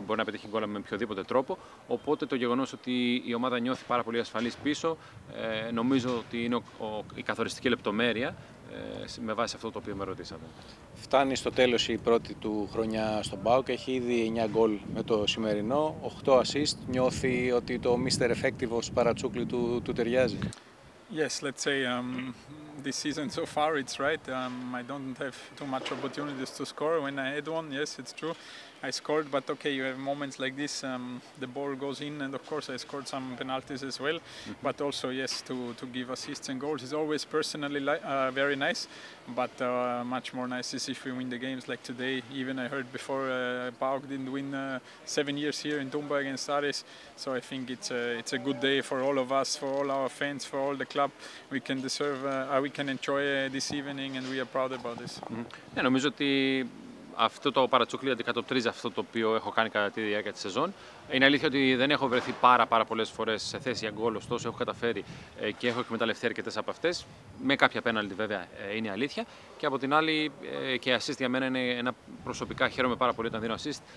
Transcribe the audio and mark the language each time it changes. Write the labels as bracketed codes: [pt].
[el] Μπορεί να πετύχει γκολ με οποιοδήποτε τρόπο. Οπότε το γεγονός ότι η ομάδα νιώθει πάρα πολύ ασφαλής πίσω, νομίζω ότι είναι η καθοριστική λεπτομέρεια με βάση αυτό το οποίο με ρωτήσατε. Φτάνει στο τέλος η πρώτη του χρονιά στον ΠΑΟΚ. Έχει ήδη 9 γκολ με το σημερινό, 8 assist. Νιώθει ότι το Mr. Effective ως παρατσούκλι του ταιριάζει? [en] Yes, let's say this season so far it's right. I don't have too much opportunities to score. When I had one, yes, it's true, I scored. But okay, you have moments like this. The ball goes in, and of course I scored some penalties as well. But also, yes, to give assists and goals is always personally very nice. But much more nice is if we win the games like today. Even I heard before PAOK didn't win 7 years here in Tumba against Aris. So I think it's a good day for all of us, for all our fans, for all the club. We can deserve. We can enjoy this evening and we are proud about this. [el] Ναι, νομίζω ότι αυτό το παρατσούκλι αντικατοπτρίζει αυτό το οποίο έχω κάνει κατά τη διάρκεια της σεζόν. Είναι αλήθεια ότι δεν έχω βρεθεί πάρα πολλές φορές σε θέση για γκολ, ωστόσο έχω καταφέρει και έχω εκμεταλλευτεί αρκετές από αυτές. Με κάποια πέναλτι βέβαια είναι αλήθεια. Και από την άλλη, και assist για μένα είναι ένα προσωπικά χαίρομαι πάρα πολύ όταν δίνω assist.